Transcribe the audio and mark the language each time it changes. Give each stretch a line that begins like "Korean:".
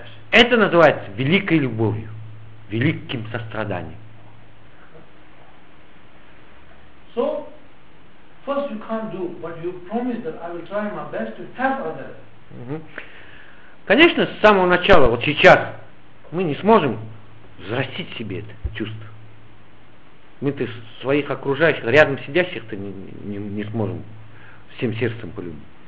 Russian: Это называется великой любовью, великим состраданием.
English: So, first you can't do, but you promise that I will try my best to help others.
Russian: Конечно, с самого начала, вот сейчас, мы не сможем взрастить себе это чувство. Мы-то своих окружающих, рядом сидящих-то не сможем всем сердцем полюбить.